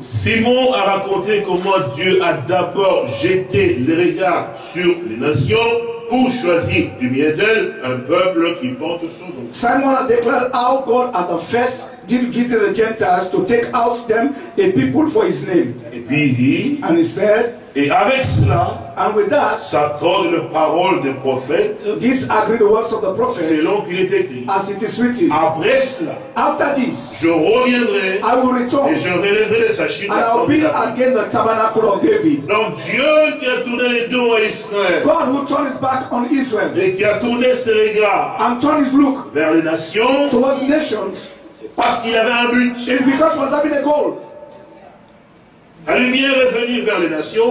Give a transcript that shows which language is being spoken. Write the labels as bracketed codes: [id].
[fr] Simon a raconté comment Dieu a d'abord jeté les regards sur les nations, pour choisir du milieu d'elles un peuple qui porte son nom. [en] Simon [fr] a déclaré [en] how God at the first did visit the Gentiles to take out them a people for his name. [fr] Et puis il dit, [en] and he said, [fr] et avec cela, [en] and with that, [fr] s'accorde la parole des prophètes, [en] this agreed the words of the prophets, [fr] selon qu'il est écrit, [en] as it is written, [fr] après cela, [en] after this, [fr] je reviendrai, [en] I will return, [fr] et je relèverai sa chute, [en] and I will build again the tabernacle of David. [fr] Donc Dieu qui a tourné le dos à Israël, [en] God who turned his back on Israel, [fr] et qui a tourné ses regards, [en] and turned his look, [fr] vers les nations, [en] towards nations, [fr] parce qu'il avait un but, [en] it's because he was having a goal. [fr] La lumière est venue vers les nations.